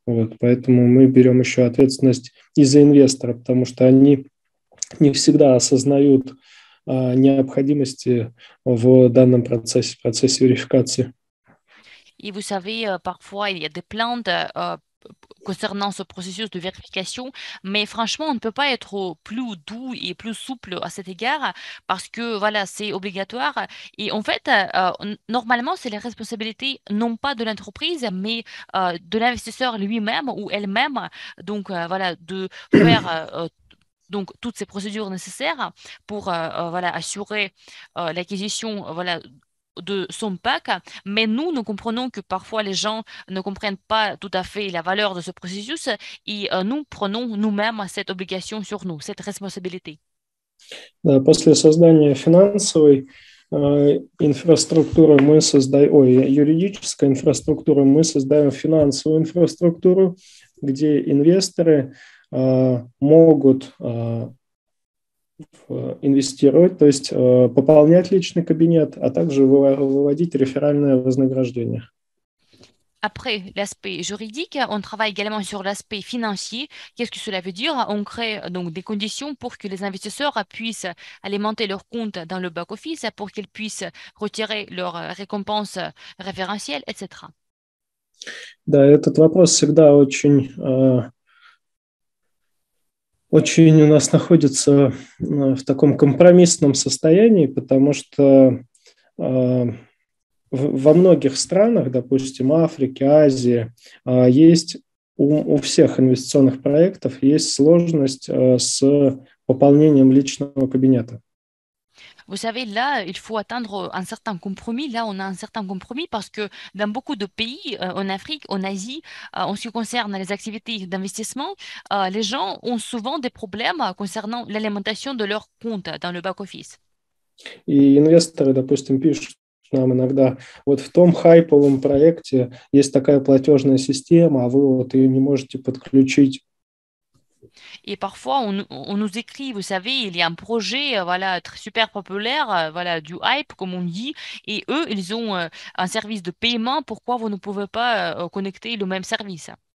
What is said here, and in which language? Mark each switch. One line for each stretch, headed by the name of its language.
Russian: Вот, поэтому мы берем еще ответственность и за инвестора, потому что они не всегда осознают необходимости в данном процессе верификации.
French: Et vous savez, parfois, il y a des plaintes concernant ce processus de vérification, mais franchement, on ne peut pas être plus doux et plus souple à cet égard parce que voilà, c'est obligatoire. Et en fait, normalement, c'est la responsabilité non pas de l'entreprise, mais de l'investisseur lui-même ou elle-même, donc voilà, de faire donc toutes ces procédures nécessaires pour voilà, assurer l'acquisition, voilà, de son pack, mais nous comprenons que parfois les gens ne comprennent pas tout à fait la valeur de ce processus et nous prenons nous-mêmes cette obligation sur nous, cette responsabilité.
Russian: Да, после создания финансовой инфраструктуры мы создаем, ой, юридической инфраструктуры мы создаем финансовую инфраструктуру, где инвесторы могут инвестировать, то есть пополнять личный кабинет, а также выводить реферальное вознаграждение.
French: Après l'aspect juridique, on travaille également sur l'aspect financier. Qu'est-ce que cela veut dire? On crée donc des conditions pour que les investisseurs puissent alimenter leur compte dans le back office, pour qu'ils puissent retirer leurs récompenses référentielles, etc.
Russian: Да, этот вопрос всегда очень очень у нас находится в таком компромиссном состоянии, потому что во многих странах, допустим, Африки, Азии, есть у всех инвестиционных проектов есть сложность с пополнением личного кабинета.
French: Vous savez, là, il faut atteindre un certain compromis. Là, on a un certain compromis parce que dans beaucoup de pays, en Afrique, en Asie, en ce qui concerne les activités d'investissement, les gens ont souvent des problèmes concernant l'alimentation de leur compte dans le back-office.
Russian: И инвесторы, допустим, пишут нам иногда, вот в том хайповом проекте есть такая платежная система, а вы вот ее не можете подключить.
French: Et parfois, on nous écrit, vous savez, il y a un projet voilà, très super populaire, voilà, du hype, comme on dit, et eux, ils ont un service de paiement. Pourquoi vous ne pouvez pas connecter le même service?